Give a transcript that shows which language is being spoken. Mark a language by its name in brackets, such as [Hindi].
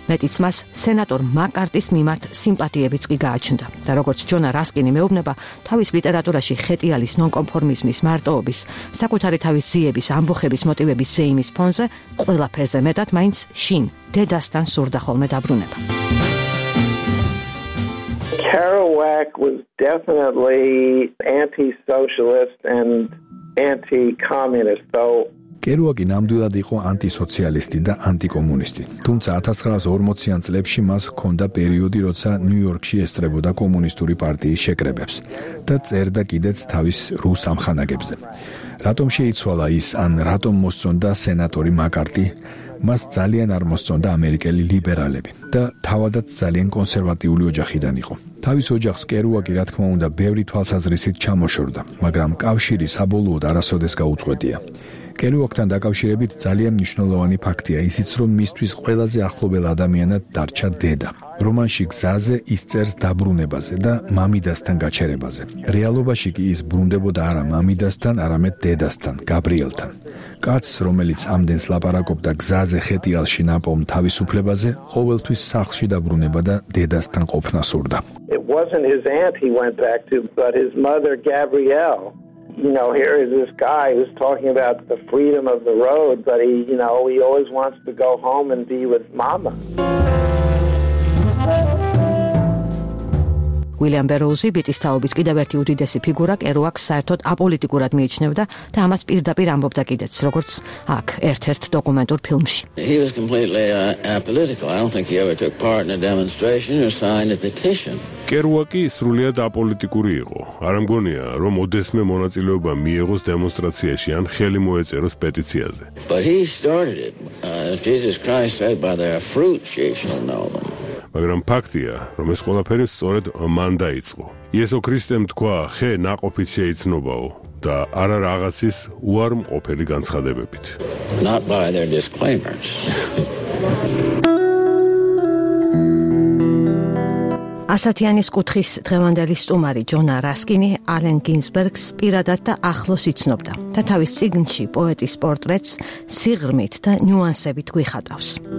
[Georgian] მეტიც მას სენატორ მაკარტის მიმართ სიმპათიებიც კი გააჩნდა. და როგორც ჯონა რასკინი მეუბნება, თავის ლიტერატურაში ხეტიალის ნონკონფორმიზმის მარტოობის, საკუთარი თავის ძიების ამბოხების მოტივების ზეიმის ფონზე ყველაფერზე მეტად მაინც შინ დედასთან სურდა ხოლმე დაბრუნება. [English] Kerouac was definitely anti-socialist and anti-communist. [Georgian] Kerouac-ი ნამდვილად იყო ანტისოციალისტი და ანტიკომუნისტი. თუმცა 1940-იან წლებში მას ჰქონდა პერიოდი, როცა ნიუ-იორკში ესწრებოდა კომუნისტური პარტიის შეკრებებს და წერდა კიდეც თავის რუს ამხანაგებზე. რატომ შეიცვალა ის, ან რატომ მოსწონდა სენატორი მაკარტი? მას ძალიან არ მოსწონდა ამერიკელი ლიბერალები და თავადაც ძალიან კონსერვატიული ოჯახიდან იყო. თავის ოჯახს კერუაკი, რა თქმა უნდა, ბევრი თვალსაზრისით ჩამოშორდა, მაგრამ კავშირი საბოლოოდ არასოდეს გაუწყვეტია. კერუოკთან დაკავშირებით ძალიან მნიშვნელოვანი ფაქტია ისიც, რომ მისთვის ყველაზე ახლობელ ადამიანად დარჩა დედა. რომანში გზაზე ის წერს დაბრუნებაზე და მამიდასთან გაჩერებაზე. რეალობაში კი ის ბრუნდებოდა არა მამიდასთან, არამედ დედასთან, გაბრიელთან. კაცს, რომელიც ამდენს ლაპარაკობდა გზაზე ხეტიალში ნაპოვნ თავისუფლებაზე, ყოველთვის სახლში დაბრუნება და დედასთან ყოფნა სურდა. [English] It wasn't his aunt he went back to, but his mother Gabrielle. You know, here is this guy who's talking about the freedom of the road, but he, you know, he always wants to go home and be with mama. [Georgian] უილიამ ბეროუზი ბიტის თაობის კიდევ ერთი უდიდესი ფიგურა კერუაკს საერთოდ აპოლიტიკურად მიიჩნევდა და ამას პირდაპირ ამბობდა კიდეც, როგორც აქ ერთ-ერთ დოკუმენტურ ფილმში. [English] He was completely apolitical. I don't think he ever took part in a demonstration or signed a petition. [Georgian] კერუაკი სრულიად აპოლიტიკური იყო. არ ამგონია, რომ ოდესმე მონაწილეობა მიიღოს დემონსტრაციაში ან ხელი მოეწეროს პეტიციაზე. [English] But he started it. Jesus Christ said by their fruits ye shall know them. [Georgian] მაგრამ ფაქტია, რომ ეს ყველაფერი სწორედ მან დაიწყო. იესო ქრისტემ თქვა, ხე ნაყოფით შეიცნობაო და არა რაღაცის უარმყოფელი განცხადებებით. [English] Not by their disclaimers. [Georgian] ასათიანის კუთხის დღევანდელი სტუმარი ჯონა რასკინი ალენ გინსბერგს პირადად და ახლოს იცნობდა და თავის წიგნში პოეტის პორტრეტს სიღრმით და ნიუანსებით გვიხატავს.